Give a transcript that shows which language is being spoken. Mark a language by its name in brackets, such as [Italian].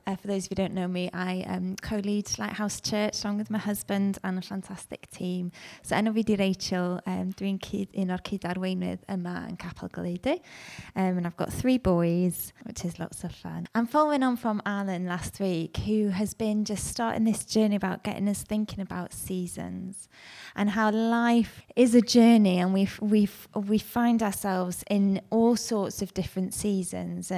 [English] For those of you who don't know me, I co-lead Lighthouse Church along with my husband and a fantastic team. [Welsh] So enw fi di Rachel, dwi'n un o'r cyd-arweinydd yma yn Capel Gwledu. [English] And I've got three boys, which is lots of fun. I'm following on from Alan last week, who has been just starting this journey about getting us thinking about seasons and how life is a journey, and we find ourselves in all sorts of different seasons.